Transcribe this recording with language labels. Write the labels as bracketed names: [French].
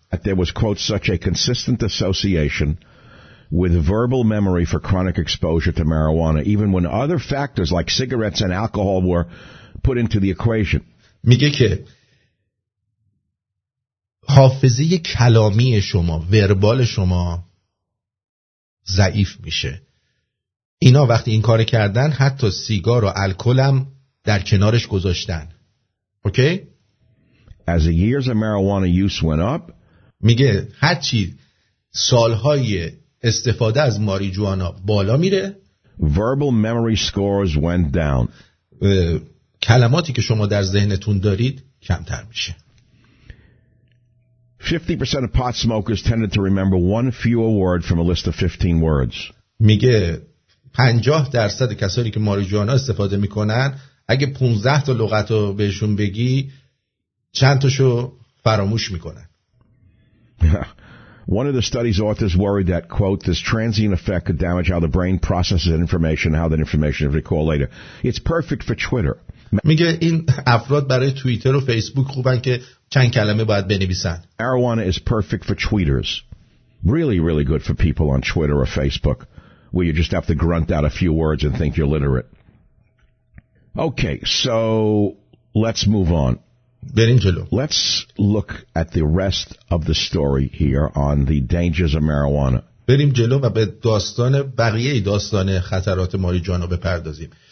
[English] There was quote such a consistent association with verbal memory for chronic exposure to marijuana even when other factors like cigarettes and alcohol were put into the equation. [Persian] میگه که حافظه کلامی شما، وربال شما ضعیف میشه. اینا وقتی این کار کردن، حتی سیگار و الکل هم در کنارش گذاشتن. اوکی؟ [English] As the years of marijuana use went up, [Persian] میگه هرچی سالهای استفاده از ماریجوانا بالا میره، [English] verbal memory scores went down. [Persian] کلماتی که شما در ذهنتون دارید کمتر میشه. [English] 50% of pot smokers tended to remember one fewer word from a list of 15 words. [Persian] میگه 50% کسانی که ماریجوانا استفاده میکنن، اگه 15 تا لغت رو بهشون بگی چند تاشو فراموش میکنن. [English] One of the study's authors worried that, quote, this transient effect could damage how the brain processes information, how that information is recalled later. It's perfect for Twitter. [Persian] میگه این افراد برای توییتر و فیسبوک خوبن که چند کلمه باید بنویسن. [English] Marijuana is perfect for tweeters. Really, really good for people on Twitter or Facebook, where you just have to grunt out a few words and think you're literate. Okay, so let's move on. Let's look at the rest of the story here on the dangers of marijuana. [Persian] بریم جلو و به داستان بقیه داستان خطرات ماریجوانا بپردازیم.